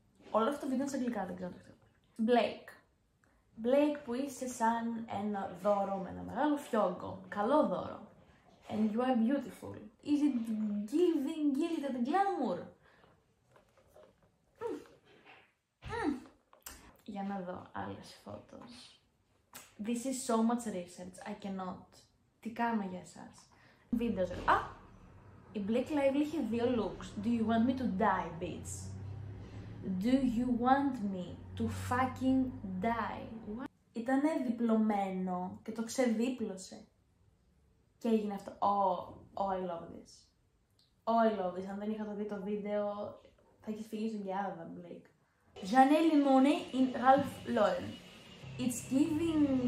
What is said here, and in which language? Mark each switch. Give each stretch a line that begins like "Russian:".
Greek: Όλο αυτό το βίντεο είναι σε αγγλικά, δεν ξέρω το. Blake, που είσαι σαν ένα δώρο με ένα μεγάλο φιόγκο. Καλό δώρο.
English: And you are beautiful. Is it giving gilded glamour?
Greek: Για να δω άλλες φώτος.
English: This is so much research. I cannot.
Greek: Τι κάνω για εσάς. Βίντεο. Α! Η Blake Lively είχε δύο looks.
English: Do you want me to die, bitch? Do you want me to fucking die?
Greek: Ήτανε διπλωμένο και το ξεδίπλωσε. Και έγινε αυτό.
English: Oh, I love this. Oh, I love this.
Greek: Αν δεν είχα το δει το βίντεο, θα έχεις φύγει στον Γιάδα, Blake.
English: Janelle Monáe in Ralph Lauren. It's giving...